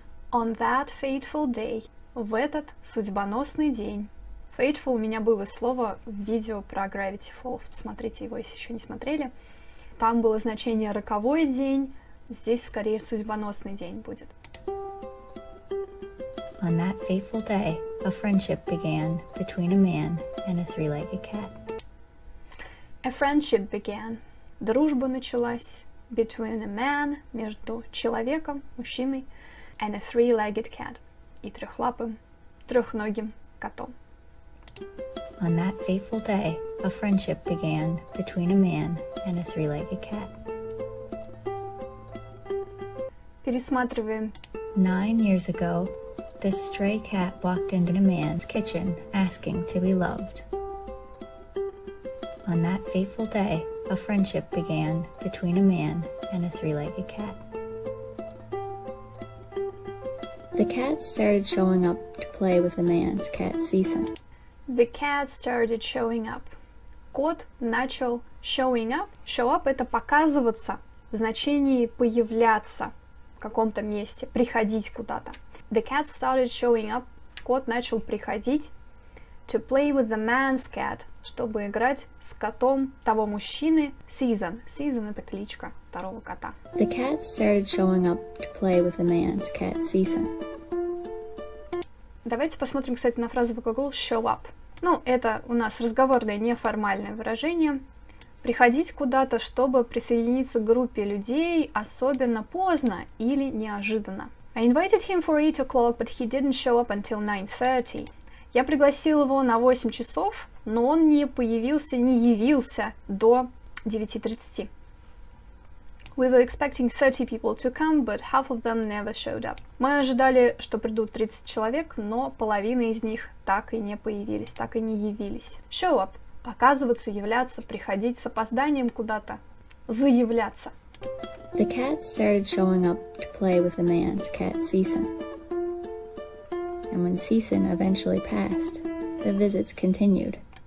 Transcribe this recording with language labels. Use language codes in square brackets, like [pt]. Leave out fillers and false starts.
[en] on that fateful day, [ru] в этот судьбоносный день. Fateful, у меня было слово в видео про Gravity Falls, посмотрите его, если еще не смотрели. Там было значение роковой день, здесь скорее судьбоносный день будет. [en] On that fateful day, a friendship began between a man and a three-legged cat. A friendship began. [ru] Дружба началась [en] between a man, [ru] между человеком, мужчиной, [en] and a three-legged cat, [ru] и трёхлапым, трёхногим котом. [en] On that fateful day, a friendship began between a man and a three-legged cat. [ru] Пересматриваем. [en] 9 years ago, this stray cat walked into a man's kitchen, asking to be loved. On that fateful day, a friendship began between a man and a three-legged cat. The cat started showing up to play with the man's cat season. The cat started showing up. [ru] Кот начал [en] showing up. [ru] Show up — это показываться, в значении появляться в каком-то месте, приходить куда-то. [en] The cat started showing up. [ru] Кот начал приходить [en] to play with the man's cat, [ru] чтобы играть с котом того мужчины [en] season. [ru] Season — это кличка второго кота. [en] The cat started showing up to play with the man's cat season. [ru] Давайте посмотрим, кстати, на фразовый глагол show up. Ну, это у нас разговорное неформальное выражение. Приходить куда-то, чтобы присоединиться к группе людей, особенно поздно или неожиданно. [en] I invited him for 8 o'clock, but he didn't show up until 9:30. [ru] Я пригласил его на 8 часов, но он не появился, не явился до 9:30. [en] We were expecting 30 people to come, but half of them never showed up. [ru] Мы ожидали, что придут 30 человек, но половина из них так и не появились, так и не явились. [en] Show up. [ru] Показываться, являться, приходить с опозданием куда-то. Заявляться. [en] The cat started showing up to play with the man's cat, Season. And when Season eventually passed, the visits continued.